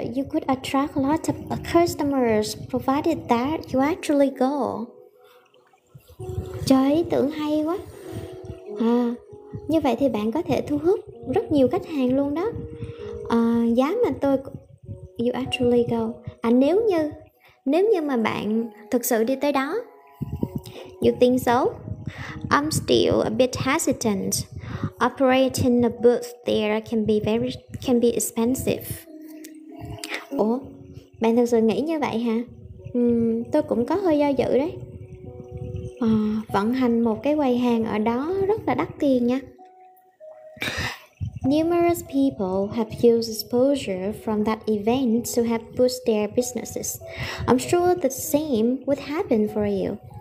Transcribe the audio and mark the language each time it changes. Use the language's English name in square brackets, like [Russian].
[English] You could attract lots of customers provided that you actually go. [Vietnamese] Trời, ý tưởng hay quá. À, như vậy thì bạn có thể thu hút rất nhiều khách hàng luôn đó. À, giá mà tôi... [English] You actually go. [Vietnamese] À, nếu như mà bạn thực sự đi tới đó. [English] You think so? I'm still a bit hesitant. Operating a booth there can be expensive. [Vietnamese] Ủa, bạn thực sự nghĩ như vậy hả? Tôi cũng có hơi do dự đấy. À, vận hành một cái quầy hàng ở đó rất là đắt tiền nha. [English] Numerous people have used exposure from that event to help boost their businesses. I'm sure the same would happen for you.